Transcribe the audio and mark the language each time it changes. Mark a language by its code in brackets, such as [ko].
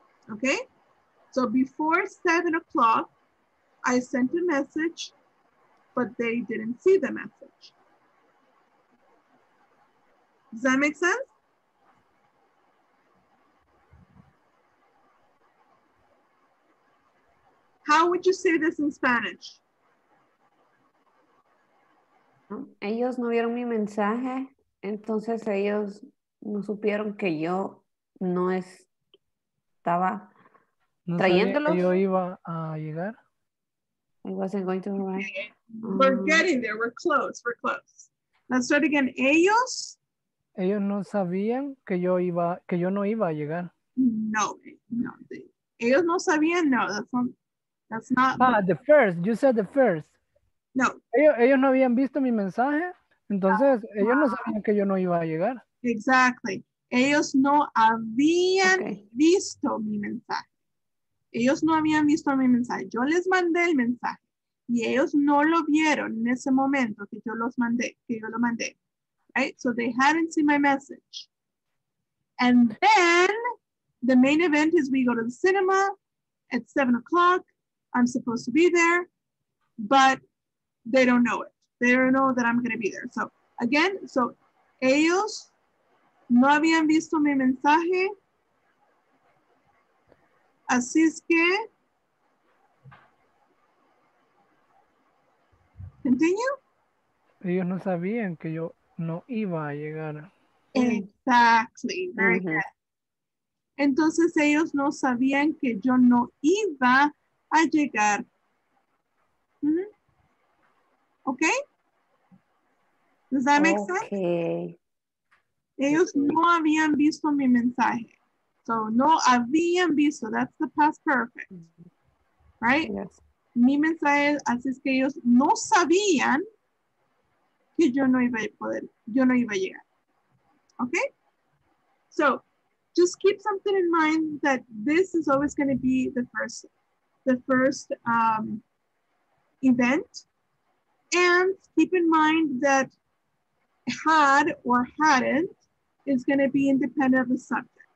[en] Okay? So before 7 o'clock, I sent a message, but they didn't see the message. Does that make sense? How would you say this in Spanish? [es] Ellos no vieron mi mensaje, entonces ellos no supieron que yo no estaba trayéndolos. Yo iba a llegar. [en] I wasn't going to arrive. Okay. We're getting there. We're close. We're close. Let's start again. [es] Ellos. Ellos no sabían que yo iba, que yo no iba a llegar. No, no. Ellos no sabían. [en] No, that's not. Ah, the first. You said the first. No. [es] Ellos no habían visto mi mensaje. Entonces, no. Ellos no sabían que yo no iba a llegar. [en] Exactly. [es] Ellos no habían visto mi mensaje. Ellos no habían visto mi mensaje. Yo les mandé el mensaje. Y ellos no lo vieron en ese momento que yo los mandé, que yo lo mandé. [en] Right? So they hadn't seen my message. And then the main event is we go to the cinema at 7 o'clock. I'm supposed to be there, but they don't know it. They don't know that I'm going to be there. So again, so [es] ellos no habían visto mi mensaje. Así es que. [en] Continue. [es] Ellos no sabían que yo no iba a llegar. [en] Exactly. Very good. [es] Entonces ellos no sabían que yo no iba a llegar. [en] Mm-hmm. Okay. Does that make sense? Okay. [es] Ellos no habían visto mi mensaje. [en] So [es] no habían visto. [en] That's the past perfect. Right? Yes. [es] Mi mensaje, así es que ellos no sabían que yo no iba a poder, yo no iba a llegar. [en] Okay? So just keep something in mind that this is always going to be the first event. And keep in mind that had or hadn't is going to be independent of the subject.